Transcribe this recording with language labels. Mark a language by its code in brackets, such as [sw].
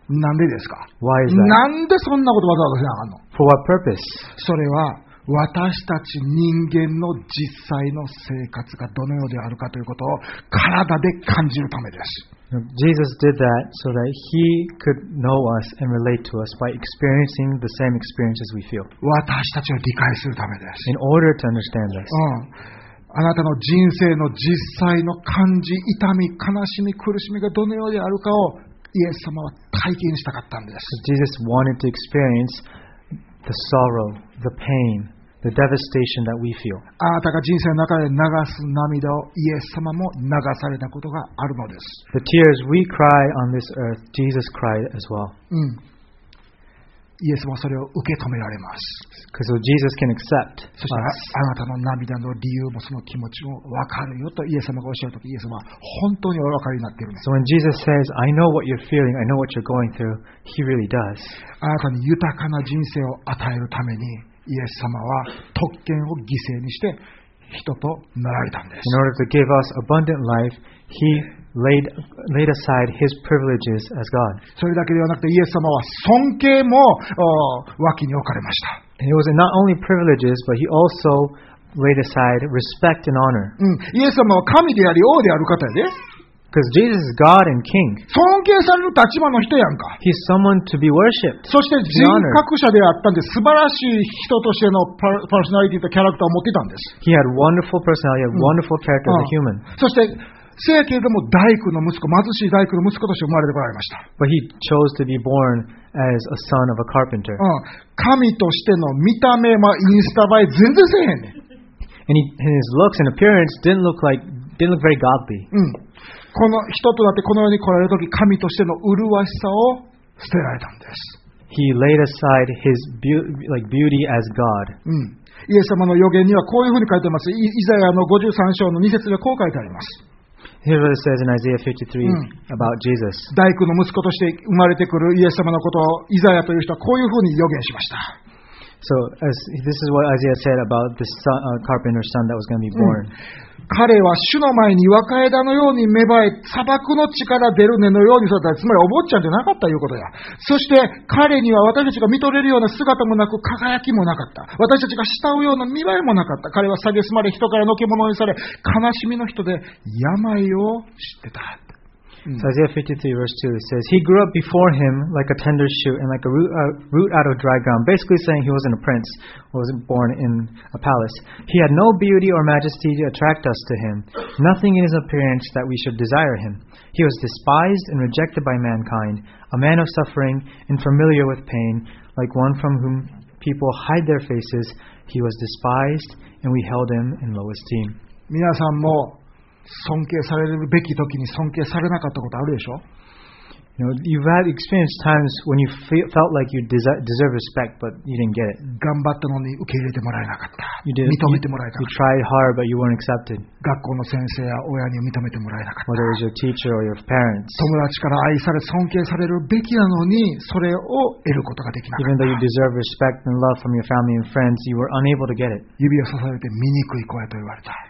[ja] なんでですか？ [en] Why is that? [ja] なんでそんなことわざわざしなあかんの？ [en] For what purpose? [ja] それは私たち人間の実際の生活がどのようであるかということを体で感じるためです。 [en] Jesus did that so that he could know us and relate to us by experiencing the same experiences we feel. [ja] 私たちを理解するためです。 [en] In order to understand this. [ja] あなたの人生の実際の感じ、痛み、悲しみ、苦しみがどのようであるかをイエス様は体験したかったんです。 [en] Jesus wanted to experience the sorrow, the pain, the devastation that we feel. [ja] あなたが人生の中で流す涙をイエス様も流されたことがあるのです。 [en] The tears we cry on this earth, Jesus cried as well. [ja] イエス様はそれを受け止められます。 [en] Because Jesus can accept. [ja] そしてあなたの涙の理由もその気持ちもわかるよとイエス様がおっしゃるとき、イエス様は本当にお分かりになっているんです。 [en] So when Jesus says, "I know what you're feeling, I know what you're going through," He really does. [ja] あなたに豊かな人生を与えるために。イエス様は特権を犠牲にして人となられたんです。 [en] In order to give us abundant life, he laid aside his privileges as God. [ja] それだけではなくて、イエス様は尊敬も脇に置かれました。 [en] And it was not only privileges, but he also laid aside respect and honor. [ja] イエス様は神であり王である方で。 [en] Because Jesus is God and King. [ja] 尊敬される立場の人やんか。 [en] He's someone to be worshipped. [ja] そして人格者であったんで、素晴らしい人としてのパーソナリティとキャラクターを持っていたんです。 [en] He had wonderful personality, he had wonderful character as a human. [ja] そして、せやけれども大工の息子、貧しい大工の息子として生まれてこられました。 [en] But he chose to be born as a son of a carpenter. [ja] 神としての見た目はインスタ映え全然せへんねん。 [en] And his looks and appearance didn't look very godly. [ja] この人となってこの世に来られるとき、神としての麗しさを捨てられたんです。 [en] He laid aside his beauty as God. [ja] イエス様の預言にはこういうふうに書いてます。イザヤの53章の2節でこう書いてあります。 [en] Here it says in Isaiah 53 about Jesus. [ja] 大工の息子として生まれてくるイエス様のことをイザヤという人はこういうふうに預言しました。 [en] So as this is what Isaiah said about this son, carpenter's son that was going to be born. [ja] 彼は主の前に若枝のように芽生え、砂漠の地から出る根のように育った。つまりお坊ちゃんじゃなかったということや。そして彼には私たちが見とれるような姿もなく輝きもなかった。私たちが慕うような見栄えもなかった。彼は蔑まれ、人からのけ者にされ、悲しみの人で病を知ってた。 [en] So Isaiah 53 verse 2 says, He grew up before him like a tender shoot and like a root out of dry ground, basically saying he wasn't a prince, wasn't born in a palace. He had no beauty or majesty to attract us to him, nothing in his appearance that we should desire him. He was despised and rejected by mankind, a man of suffering and familiar with pain, like one from whom people hide their faces. He was despised and we held him in low esteem. [ja] 皆さんも尊敬されるべき時に尊敬されなかったことあるでしょ。 [en] You know, you've had experienced times when you felt like you deserve respect, but you didn't get it. [ja] 頑張ったのに受け入れてもらえなかった。 [en] You did, [ja] 認めてもらえなかった。 [en] You tried hard, but you weren't accepted. [ja] 学校の先生や親に認めてもらえなかった。 [en] Whether it was your teacher or your parents. [ja] 友達から愛され尊敬されるべきなのにそれを得ることができなかった。 [en] Even though you deserve respect and love from your family and friends, you were unable to get it. [ja] 指を刺されて醜い子やと言われた。